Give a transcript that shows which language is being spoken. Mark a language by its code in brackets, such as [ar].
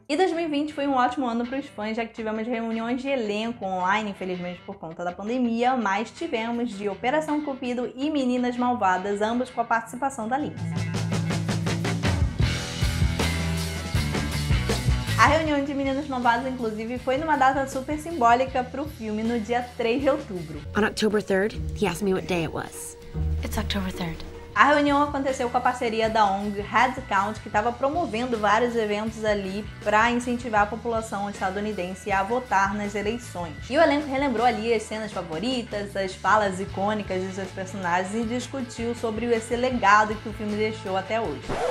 [pt] E 2020 foi um ótimo ano pros fãs, já que tivemos reuniões de elenco online, infelizmente por conta da pandemia, mas tivemos de Operação Cupido e Meninas Malvadas, ambos com a participação da Lindsay. A reunião de Meninas Malvadas, inclusive, foi numa data super simbólica pro filme, no dia 3 de outubro. [en] On October 3rd, he asked me what day it was. It's October 3rd. [pt] A reunião aconteceu com a parceria da ONG Headcount, que estava promovendo vários eventos ali para incentivar a população estadunidense a votar nas eleições. E o elenco relembrou ali as cenas favoritas, as falas icônicas dos seus personagens e discutiu sobre esse legado que o filme deixou até hoje.